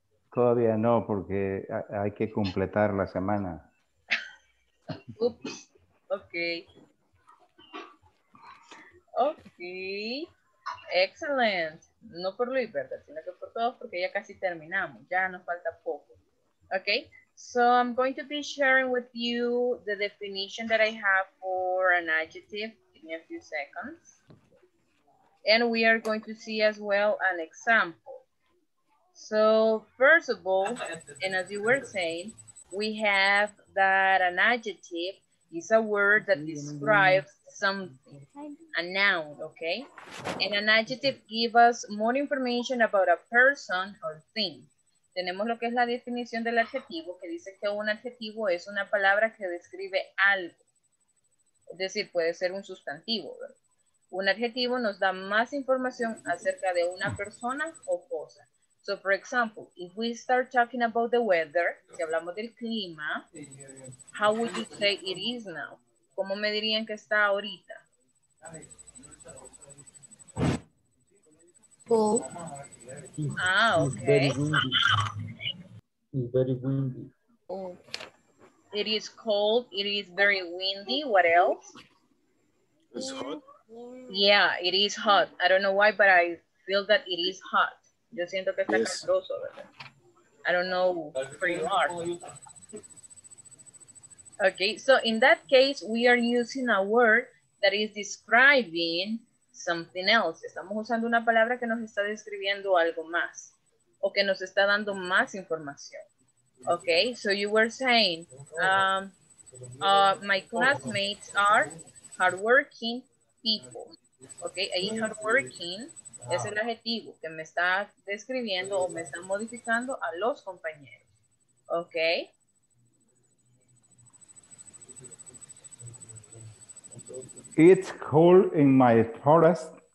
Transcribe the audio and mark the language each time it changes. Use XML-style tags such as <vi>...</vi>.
<es>Todavía no, porque hay que completar la semana.</es> <en>Oops. Okay. Okay. Excellent.</en> <es>No por Luis, ¿verdad? Sino que por todos, porque ya casi terminamos. Ya nos falta poco. Okay.</es> <en>So I'm going to be sharing with you the definition that I have for an adjective. Give me a few seconds. And we are going to see as well an example. So, first of all, and as you were saying, we have that an adjective is a word that describes something, a noun, okay? And an adjective gives us more information about a person or thing.</en> <es>Tenemos lo que es la definición del adjetivo, que dice que un adjetivo es una palabra que describe algo. Es decir, puede ser un sustantivo, ¿verdad? Un adjetivo nos da más información acerca de una persona o cosa.</es> <en>So, for example, if we start talking about the weather,</en> <es>si hablamos del clima,</es> <en>how would you say it is now?</en> <es>¿Cómo me dirían que está ahorita?</es> <en>Cold. Ah, okay. It's very windy. It is cold. It is very windy. What else? It's hot. Yeah, it is hot. I don't know why, but I feel that it is hot.</en> <es>Yo siento que está caluroso, ¿verdad?</es> <en>I don't know where you are. Okay, so in that case, we are using a word that is describing something else.</en> <es>Estamos usando una palabra que nos está describiendo algo más o que nos está dando más información.</es> <en>Okay, so you were saying, my classmates are hardworking people. Okay, ahí hardworking.</en> <es>Es el adjetivo que me está describiendo o me está modificando a los compañeros. ¿Ok?</es> <en>It's cold in my forest.</en>